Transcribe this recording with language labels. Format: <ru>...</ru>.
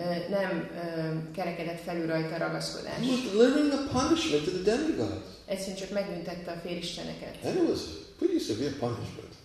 <hu>Nem kerekedett felül rajta ragaszkodás.</hu> <en>He was delivering the punishment to the demigods.</en> <hu>Egyszerűen csak megbüntette a félisteneket.</hu> <en>And it was pretty severe punishment.</en>